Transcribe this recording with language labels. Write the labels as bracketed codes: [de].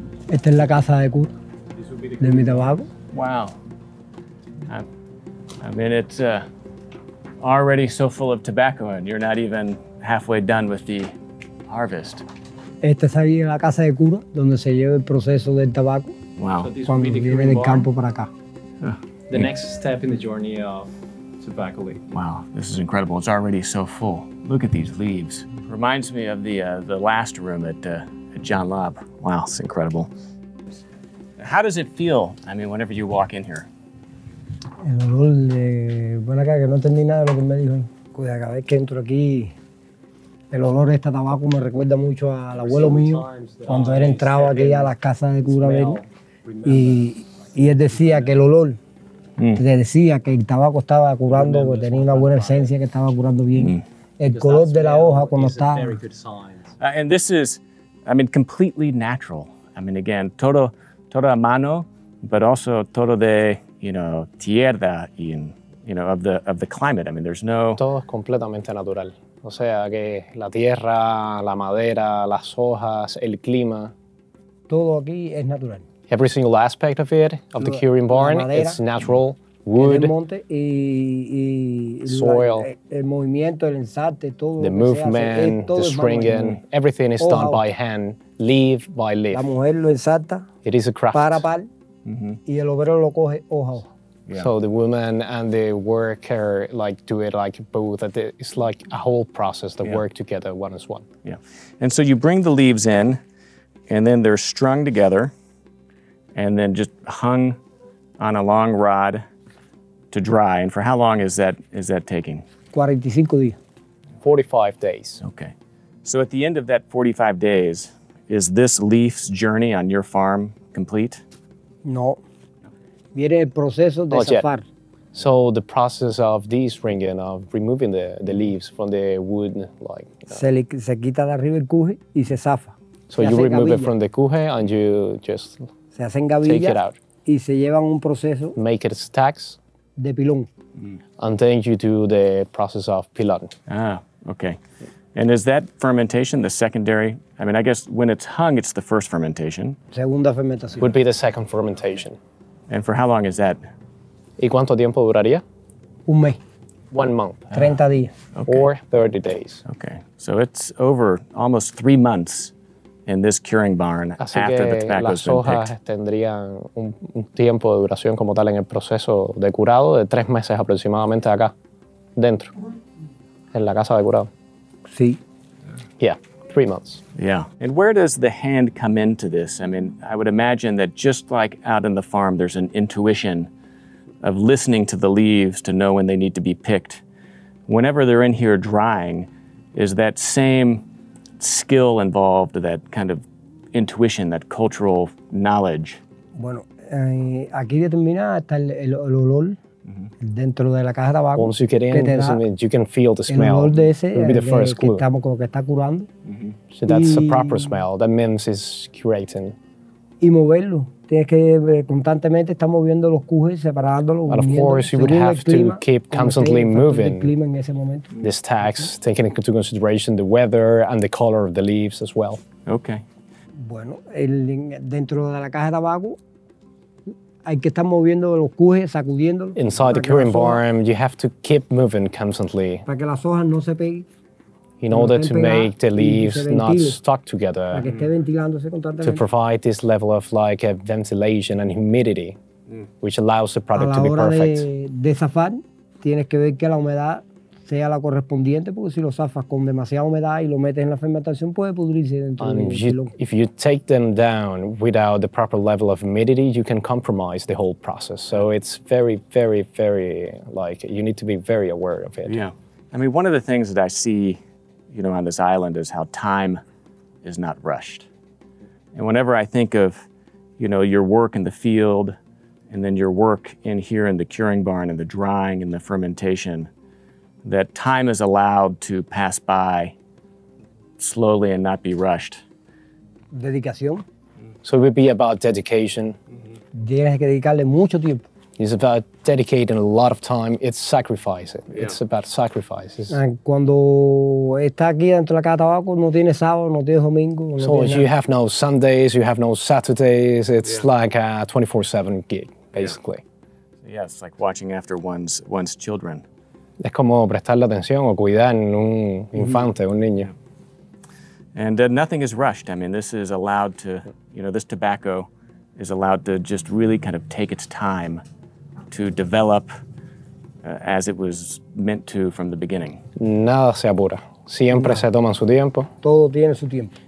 [es] Esta es la casa de cura de mi tabaco. [en] Wow. I mean, it's already so full of tobacco and you're not even halfway done with the harvest. [es] Esta es ahí la casa de cura donde se lleva el proceso del tabaco. [en] Wow. So this will be the [es] campo para acá. [en] The next step in the journey of tobacco leaf. Wow, this is incredible. It's already so full. Look at these leaves. Reminds me of the last room at John Lobb. Wow, it's incredible. How does it feel, I mean, whenever you walk in here? [es] El olor de... Bueno, acá que no entendí nada de lo que me dijo. Cuida, cada vez que entro aquí, el olor de este tabaco me recuerda mucho al abuelo mío, cuando él entraba aquí a las casas de cura de él. Y él decía que el olor, le decía que el tabaco estaba curando, porque tenía una buena esencia que estaba curando bien. El color de la hoja cuando está... [en] And this is, I mean, completely natural. I mean, again, [es] todo a mano, [en] but also [es] todo de, [en] you know, [es] tierra y, [en] you know, of the climate. I mean, there's no... [es] Todo es completamente natural. O sea, que la tierra, la madera, las hojas, el clima. Todo aquí es natural. [en] Every single aspect of it, of the curing barn, it's natural. Wood, [es] el monte y [en] soil, [es] el movimiento, el ensarte, todo [en] the movement, [es] hace, [en] the stringing, everything is done by hand, leaf by leaf. [es] La mujer lo ensarta, [en] it is a craft. [es] Par a par, y el obrero lo coge hoja a hoja. [en] Yeah. So the woman and the worker like do it like both. It's like a whole process that work together one as one. Yeah. And so you bring the leaves in, and then they're strung together, and then just hung on a long rod to dry. And for how long is that taking? [es] 45 días. [en] 45 days. Okay. So at the end of that 45 days, is this leaf's journey on your farm complete? [es] No. Viene el proceso de zafar. [en] So the process of de-stringing, of removing the leaves from the wood, like... [es] Se quita de arriba el cuje y se zafa. [en] So you remove it from the cuje and you just [es] se hacen gavillas, [en] take it out. [es] Y se llevan un proceso... [en] Make it stacks. [es] De pilón. [en] And then you do the process of pilón. Ah, okay. And is that fermentation the secondary? I mean, I guess when it's hung, it's the first fermentation. [es] Segunda fermentación. [en] Would be the second fermentation. And for how long is that? [es] ¿Y cuánto tiempo duraría? Un mes. [en] 1 month. [es] 30 días. [en] Okay. Or 30 days. Okay. So it's over almost 3 months in this curing barn [es] Así [en] after the tobacco has been picked. [es] Las hojas tendrían un tiempo de duración como tal en el proceso de curado de 3 meses aproximadamente acá, dentro, en la casa de curado. Sí. [en] Yeah. 3 months. Yeah. And where does the hand come into this? I mean, I would imagine that just like out in the farm, there's an intuition of listening to the leaves to know when they need to be picked. Whenever they're in here drying, is that same skill involved, that kind of intuition, that cultural knowledge? [es] Bueno, aquí determina hasta el olor. Mm-hmm. Dentro de la caja de tabaco. [en] Once you get in, you can feel the smell. [es] El olor de ese, [en] it'll be the first clue. [es] Estamos con lo que está curando. [en] Mm-hmm. So that's a proper smell. That means it's curating. [es] Y moverlo. Tienes que constantemente estar moviendo los cujes, separándolos. [en] But of course, you would have [es] clima, [en] to keep constantly moving [es] clima en ese momento. [en] This tax, taking into consideration the weather and the color of the leaves as well. Okay. [es] Bueno, dentro de la caja de tabaco, hay que estar moviendo los cujes, sacudiéndolos. [en] Inside the curing barn, you have to keep moving constantly. [es] Para que las hojas no se peguen. [en] In order to make the leaves not stuck together. [es] Para que esté ventilándose constantemente. [en] To provide this level of like a ventilation and humidity, which allows the product to be perfect. [es] A la hora de zafar, tienes que ver que la humedad sea la correspondiente, porque si lo zafas con demasiada humedad y lo metes en la fermentación, puede pudrirse dentro [en] and [es] del [en] you, if you take them down without the proper level of humidity, you can compromise the whole process. So it's very, very, very, like, you need to be very aware of it. Yeah. I mean, one of the things that I see, you know, on this island is how time is not rushed. And whenever I think of, you know, your work in the field and then your work in here in the curing barn and the drying and the fermentation, that time is allowed to pass by slowly and not be rushed. [es] Dedicación. [en] So it would be about dedication. [es] Mm-hmm. Tienes que dedicarle mucho tiempo. [en] It's about dedicating a lot of time. It's sacrifice. Yeah. It's about sacrifices. [es] And cuando está aquí dentro de la caja de tabaco, no tiene sábado, no tiene domingo. No [en] so [es] tiene [en] you [es] nada. [en] Have no Sundays, you have no Saturdays. It's like a 24/7 gig, basically. Yeah, it's like watching after one's children. [es] Es como prestarle atención o cuidar en un infante, un niño. [en] And nothing is rushed. I mean, this is allowed to, you know, this tobacco is allowed to just really kind of take its time to develop as it was meant to from the beginning. [es] Nada se apura. Siempre se toman su tiempo. Todo tiene su tiempo.